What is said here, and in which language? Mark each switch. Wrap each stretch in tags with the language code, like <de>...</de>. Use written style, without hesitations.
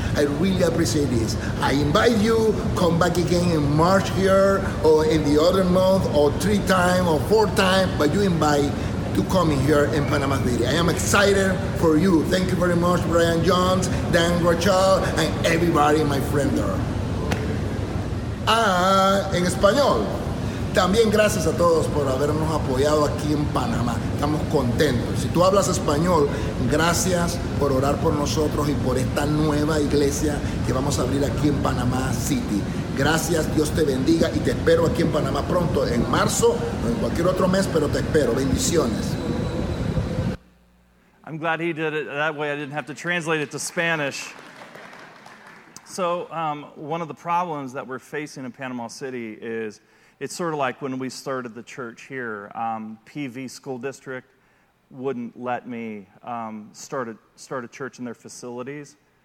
<en>I really appreciate this. I invite you come back again in March here, or in the other month, or three times, or four times, but you invite to come here in Panama City. I am excited for you. Thank you very much, Brian Jones, Dan Rochelle, and everybody, my friend there.</en> <es>En español. También gracias a todos por habernos apoyado aquí en Panamá. Estamos contentos. Si tú hablas español, gracias por orar por nosotros y por esta nueva iglesia que vamos a abrir aquí en Panamá City. Gracias, Dios te bendiga y te espero aquí en Panamá pronto, en marzo o en cualquier otro mes, pero te espero. Bendiciones.</es> <en>I'm glad he did it that way. I didn't have to translate it to Spanish. So one of the problems that we're facing in Panama City is, it's sort of like when we started the church here, PV School District wouldn't let me start a church in their facilities.</en>